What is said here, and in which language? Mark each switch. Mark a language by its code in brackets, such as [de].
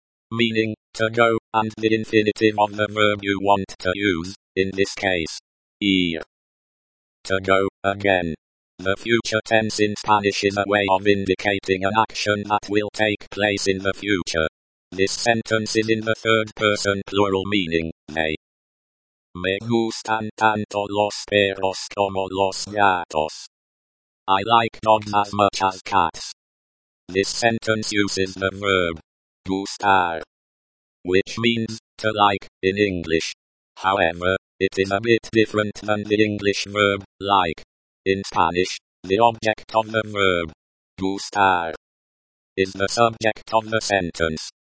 [en] Meaning, to go, and the infinitive of the verb you want to use, in this case, ir. To go, again. The future tense in Spanish is a way of indicating an action that will take place in the future. This sentence is in the third person plural meaning, they. [es] Me gustan tanto los perros como los gatos. [en] I like dogs as much as cats. This sentence uses the verb gustar, which means to like in English. However, it is a bit different than the English verb like. In Spanish, the object of the verb gustar is the subject of the sentence.